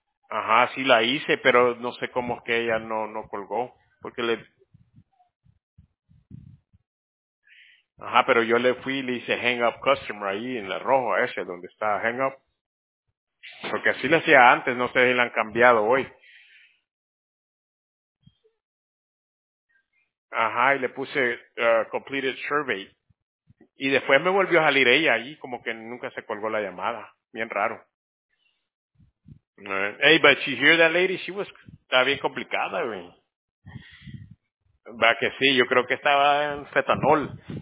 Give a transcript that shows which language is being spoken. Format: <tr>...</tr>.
<es>Ajá, sí la hice, pero no sé cómo es que ella no colgó, porque le... Ajá, pero yo le fui y le hice hang up customer ahí en la rojo ese donde está hang up. Porque así le hacía antes, no sé si la han cambiado hoy. Ajá, y le puse completed survey. Y después me volvió a salir ella ahí, como que nunca se colgó la llamada. Bien raro.</es> <en>Hey, but you hear that lady? She was</en> <es>está bien complicada, güey. Va que sí, yo creo que estaba en fentanol.</es>